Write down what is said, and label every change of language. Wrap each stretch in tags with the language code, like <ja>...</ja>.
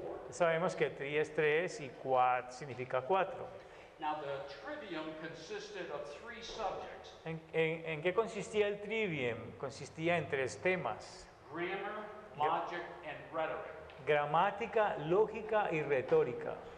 <es>Sabemos que tri es tres y quad significa cuatro.</es> <en>Now the trivium consisted of three subjects.</en> <es>¿En qué consistía el trivium? Consistía en tres temas.</es> <en>Grammar, logic, and rhetoric.</en> <es>Gramática, lógica y retórica.</es>